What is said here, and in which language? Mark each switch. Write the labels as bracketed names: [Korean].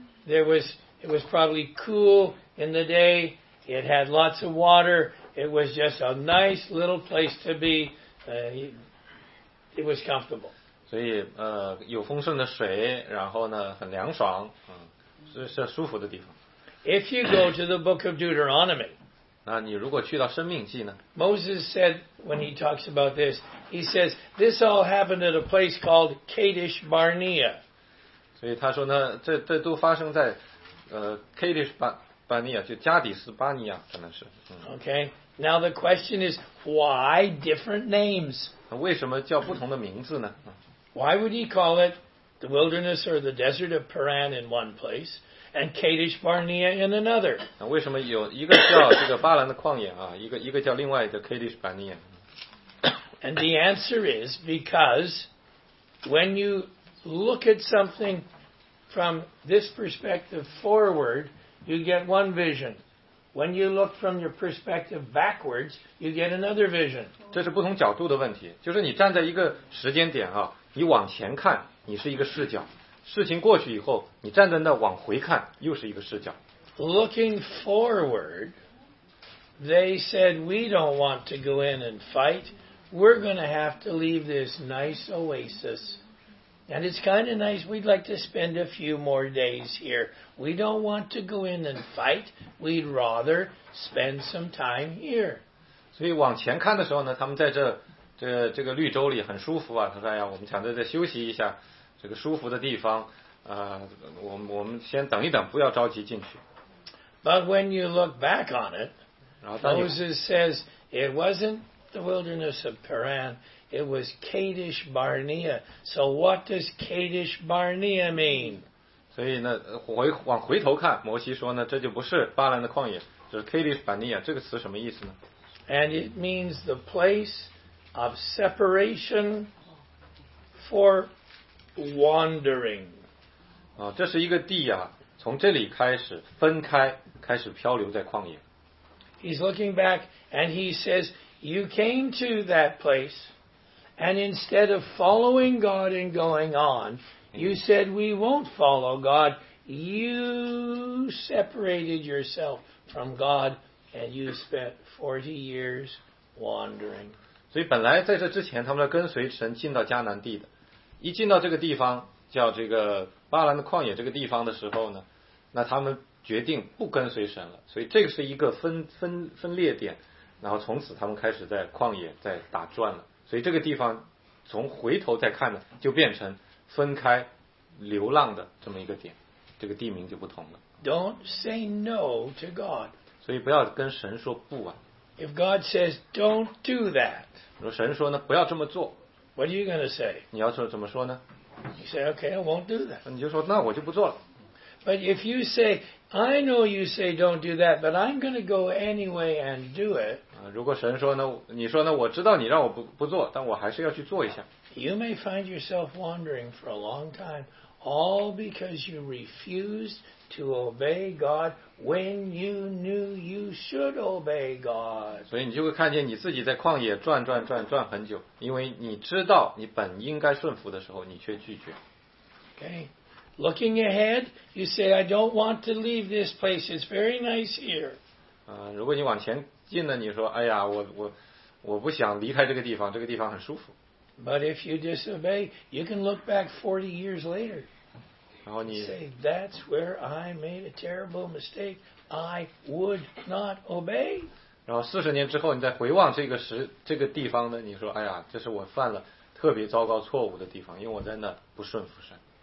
[English] There was. It was probably cool in the day. It had lots of water. It was just a nice little place to be. It was comfortable. [Chinese] 所以有丰盛的水，然后呢，很凉爽。是舒服的地方。 [English] If you go to the book of Deuteronomy, [Chinese] 那你如果去到生命记呢？ [English] Moses said when he talks about this, he says this all happened at a place called Kadesh Barnea. [Chinese] 所以他说呢，这都发生在Kadesh Barnea， 就加底斯巴尼亚可能是。 [English] Okay, now the question is why different names? [Chinese] 为什么叫不同的名字呢？ [English] Why would he call it? The wilderness or the desert of Paran in one place, and Kadesh Barnea in another. [Chinese] 那为什么有一个叫这个巴兰的旷野啊，一个叫另外的 Kadesh Barnea? [English] And the answer is because when you look at something from this perspective forward, you get one vision. When you look from your perspective backwards, you get another vision. [Chinese] 这是不同角度的问题，就是你站在一个时间点啊，你往前看。你是一个视角，事情过去以后，你站在那往回看，又是一个视角。 [English] Looking forward, they said we don't want to go in and fight. We're going to have to leave this nice oasis And it's kind of nice. We'd like to spend a few more days here. We don't want to go in and fight. We'd rather spend some time here. [Chinese] 所以往前看的时候呢，他们在这个绿洲里很舒服啊。他说：“哎呀，我们想再休息一下，这个舒服的地方，我们先等一等，不要着急进去。” [English] But when you look back on it, Moses says it wasn't the wilderness of Paran. It was Kadesh Barnea. So what does Kadesh Barnea mean? [Chinese] 所以呢，往回头看，摩西说呢，这就不是巴兰的旷野，这是 Kadesh Barnea 这个词什么意思呢？ [English] And it means the place of separation for wandering. [Chinese] 啊，这是一个地啊，从这里开始分开，开始漂流在旷野。 [English] He's looking back and he says, "You came to that place." And instead of following God and going on, you said we won't follow God. You separated yourself from God, and you spent 40 years wandering. [Chinese] 所以本来在这之前，他们要跟随神进到迦南地的。一进到这个地方，叫这个巴兰的旷野这个地方的时候呢，那他们决定不跟随神了。所以这个是一个分裂点，然后从此他们开始在旷野在打转了。所以这个地方从回头再看呢，就变成分开流浪的这么一个点，这个地名就不同了。 [English] Don't say no to God. [Chinese] 所以不要跟神说不啊。 [English] If God says don't do that, [Chinese] 如果神说呢，不要这么做。 [English] What are you going to say? [Chinese] 你要说怎么说呢？ [English] You say, okay, I won't do that. [Chinese] 你就说那我就不做了。 [English] But if you say, I know you say don't do that, but I'm going to go anyway and do it. [Chinese] 如果神说呢，你说呢，我知道你让我不做，但我还是要去做一下。 [English] You may find yourself wandering for a long time, all because you refused to obey God when you knew you should obey God. [Chinese] 所以你就会看见你自己在旷野转很久，因为你知道你本应该顺服的时候，你却拒绝。 [English] Okay. Looking ahead, you say, I don't want to leave this place. It's very nice here. [Chinese] 如果你往前进呢，你说，哎呀，我不想离开这个地方，这个地方很舒服。 [English] But if you disobey, you can look back 40 years later. [Chinese] 然后你 [English] say, that's where I made a terrible mistake. I would not obey. [Chinese] 然后40年之后，你再回望这个地方呢，你说，哎呀，这是我犯了特别糟糕错误的地方，因为我在那不顺服神。